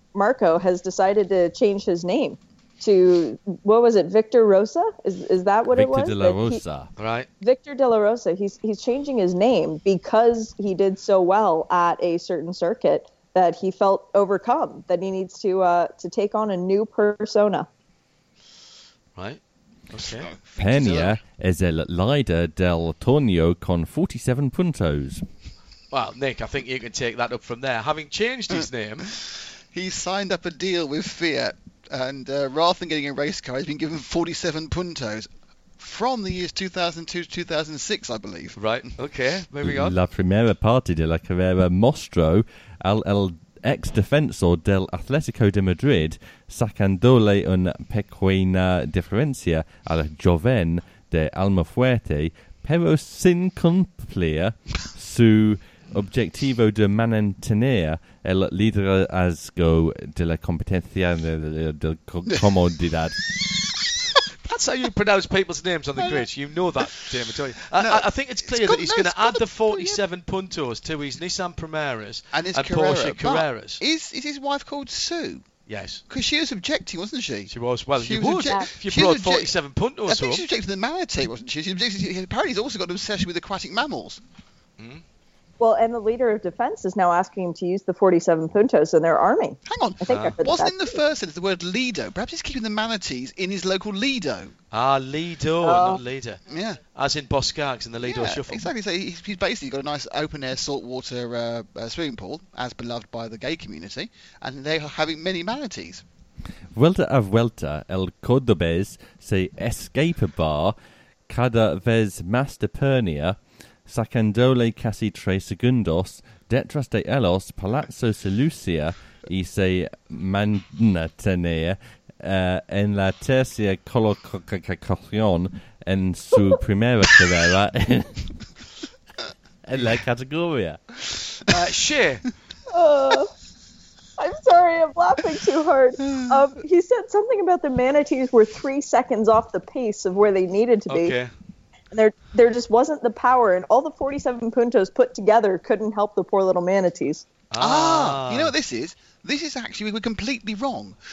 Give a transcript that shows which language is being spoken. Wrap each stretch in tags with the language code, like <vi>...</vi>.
<en>Marco has decided to change his name to, what was it, Victor Rosa? Is that what Victor it was? Victor De La Rosa, right. Victor De La Rosa. He's changing his name because he did so well at a certain circuit that he felt overcome, that he needs to take on a new persona. Right. Okay.</en> <es>Peña es el líder del torneo con 47 puntos.</es> <en>Well, Nick, I think you can take that up from there. Having changed his name... He signed up a deal with Fiat, and rather than getting a race car, he's been given 47 puntos from the years 2002 to 2006, I believe. Right, okay, moving on.</en> <es>La primera parte de la carrera mostró al ex defensor del Atlético de Madrid sacándole una pequeña diferencia al joven de Almafuerte, pero sin cumplir su... Objetivo de mantener el liderazgo de la competencia de comodidad.</es> <en>That's how you pronounce people's names on the grid. You know that, Damon, don't you? I think it's clear that he's going to add the 47 puntos to his Nissan Primeras and his Porsche Carreras. Is his wife called Sue? Yes. Because she was objecting, wasn't she? She was. Well, she would. If you brought 47 puntos home. I think she objected to the manatee, wasn't she? Apparently, he's also got an obsession with aquatic mammals. Mm-hmm. Well, and the leader of defense is now asking him to use the 47 puntos in their army. Hang on. Wasn't in the first sentence the word Lido? Perhaps he's keeping the manatees in his local Lido. Ah, Lido, not Lido. Yeah. As in Boscargs in the Lido Shuffle. Exactly. So he's basically got a nice open-air saltwater swimming pool, as beloved by the gay community, and they are having many manatees.</en> <es>Vuelta a vuelta, el cordobés se escapaba cada vez más de Pernia, sacándole casi tres segundos detrás de ellos, Palazzo se lucía y se mantenía en la tercera colocación en su primera carrera en la categoría.</es> <en>I'm sorry, I'm laughing too hard. He said something about the manatees were 3 seconds off the pace of where they needed to be. Okay. There just wasn't the power, and all the 47 puntos put together couldn't help the poor little manatees. Ah, you know what this is? This is actually, we're completely wrong.</en>